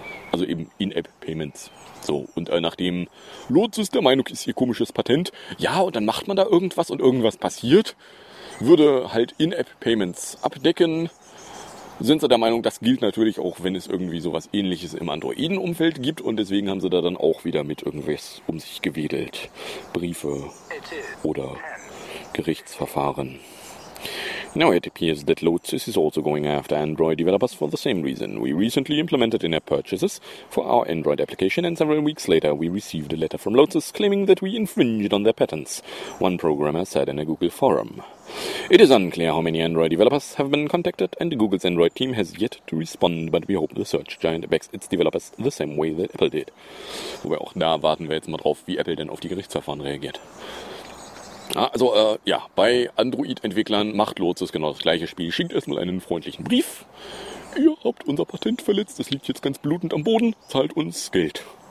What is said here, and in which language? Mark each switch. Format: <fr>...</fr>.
<de>Also eben In-App-Payments. So, und nachdem Lotus der Meinung ist, ihr komisches Patent, ja, und dann macht man da irgendwas und irgendwas passiert, würde halt In-App-Payments abdecken, sind sie der Meinung, das gilt natürlich auch, wenn es irgendwie sowas Ähnliches im Androiden-Umfeld gibt und deswegen haben sie da dann auch wieder mit irgendwas um sich gewedelt. Briefe oder Gerichtsverfahren.</de> <en>Now it appears that Lotus is also going after Android developers for the same reason. We recently implemented in-app purchases for our Android application and several weeks later we received a letter from Lotus claiming that we infringed on their patents, one programmer said in a Google forum. It is unclear how many Android developers have been contacted and Google's Android team has yet to respond, but we hope the search giant backs its developers the same way that Apple did.</en> <de>Wobei auch da warten wir jetzt mal drauf, wie Apple denn auf die Gerichtsverfahren reagiert. Also, bei Android-Entwicklern macht Lotus genau das gleiche Spiel. Schickt erstmal einen freundlichen Brief. Ihr habt unser Patent verletzt, es liegt jetzt ganz blutend am Boden. Zahlt uns Geld.</de>